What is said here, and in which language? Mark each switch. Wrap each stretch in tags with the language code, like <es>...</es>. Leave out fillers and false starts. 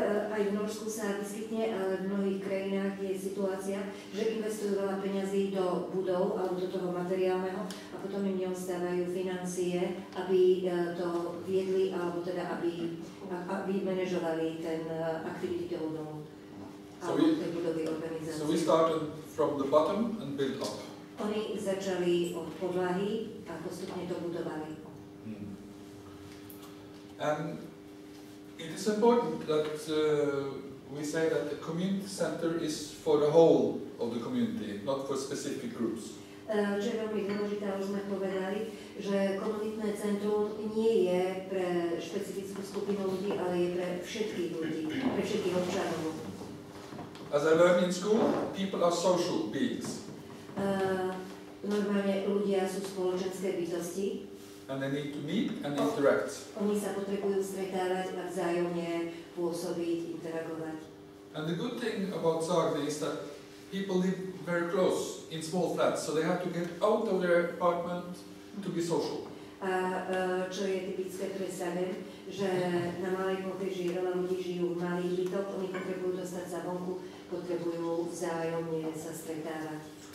<sk>Aj v Norsku sa vyskytne, ale v mnohých krajinách je situácia, že investujú veľa peňazí do budov alebo do toho materiálneho a potom im neostávajú financie, aby to viedli alebo teda aby manažovali ten aktivity toho domu alebo tej budovy organizácie.</sk> <en>So we started from the bottom and built up.</en> <sk>Oni začali od podlahy a postupne to budovali.</sk> <en>And it is important that we say that the community center is for the whole of the community, not for specific groups.</en> <sk>Čo je veľmi dôležité, už sme povedali, že komunitné centrum nie je pre špecifickú skupinu ľudí, ale je pre všetkých ľudí, pre všetkých občanov.</sk> <en>As I learned in school, people are social beings.</en> <sk>Normálne ľudia sú spoločenské bytosti.</sk> <en>And they need to meet and interact.</en> <sk>Oni sa potrebujú stretávať a vzájomne pôsobiť, interagovať.</sk> <en>And the good thing about Zagreb is that people live very close in small flats, so they have to get out of their apartment to be social.</en> <sk>A čo je typické pre Zagreb, že na malej plochy žije veľa ľudí, žijú v malých bytoch, oni potrebujú dostať sa vonku, potrebujú vzájomne sa stretávať.</sk>